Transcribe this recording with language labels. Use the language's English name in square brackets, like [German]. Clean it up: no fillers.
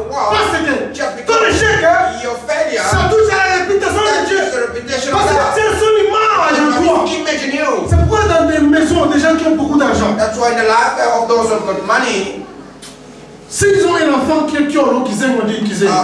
[French] Parce que ton échec, ça touche à la réputation de Dieu. Parce que c'est son image en toi. C'est pourquoi dans des maisons, des gens qui ont beaucoup d'argent. [English] That's why in the life of those who have got money. [French] Si ils ont un enfant qui est curieux, qui aime, on dit qu'ils aiment.